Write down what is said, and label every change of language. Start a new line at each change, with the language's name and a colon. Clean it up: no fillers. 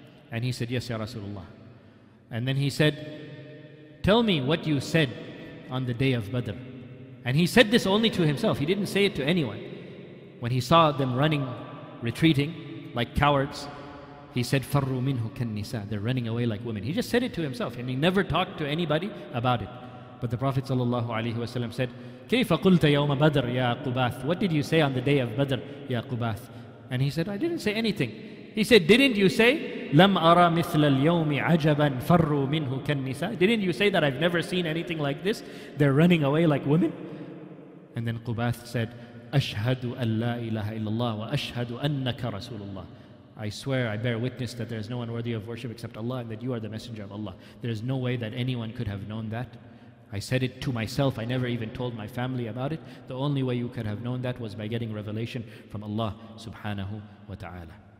English: And he said, yes, ya Rasulullah. And then he said, tell me what you said on the day of Badr. And he said this only to himself. He didn't say it to anyone. When he saw them running, retreating like cowards, he said,
Arabic: فَرُّ مِنْهُ كَالنِّسَاء.
English: They're running away like women. He just said it to himself and he never talked to anybody about it. But the Prophet ﷺ said,
Arabic: كَيْفَ قُلْتَ يَوْمَ بَدْرَ يَا قُبَاثِ.
English: What did you say on the day of Badr, يَا قُبَاثِ? And he said, I didn't say anything. He said, didn't you say,
Arabic: لَمْ أَرَى مِثْلَ الْيَوْمِ عَجَبًا فَرُّ مِنْهُ كَالنِّسَاء.
English: Didn't you say that I've never seen anything like this? They're running away like women. And then Qubath said,
Arabic: أَشْهَدُ أَنْ لَا إِلَهَ إِلَّا اللَّهُ وَأَشْهَدُ أَنَّكَ رَسُولُ اللَّهِ.
English: I swear, I bear witness that there is no one worthy of worship except Allah and that you are the messenger of Allah. There is no way that anyone could have known that. I said it to myself. I never even told my family about it. The only way you could have known that was by getting revelation from Allah subhanahu wa ta'ala.